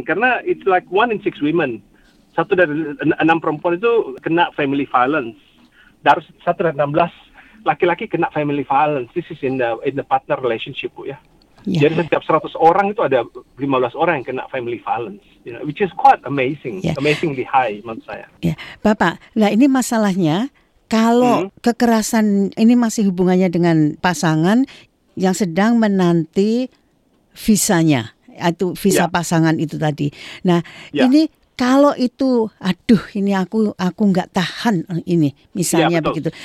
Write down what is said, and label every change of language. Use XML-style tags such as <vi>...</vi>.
<id>Karena</id> <en>it's like one in six women.</en> <id>Satu dari enam perempuan itu kena family violence. Dari satu dari 16 laki-laki kena family violence.</id> <en>This is in the partner relationship</en> <id>Bu ya. Yeah. Jadi setiap 100 orang itu ada 15 orang yang kena family violence.</id> <en>You know, which is quite amazing. Yeah. Amazingly high</en> <id>menurut saya. Yeah. Bapak, nah ini masalahnya. kalau kekerasan ini masih hubungannya dengan pasangan yang sedang menanti visanya, atau visa pasangan itu tadi. Nah, ini kalau itu, aduh, ini aku nggak tahan ini, misalnya begitu.</id>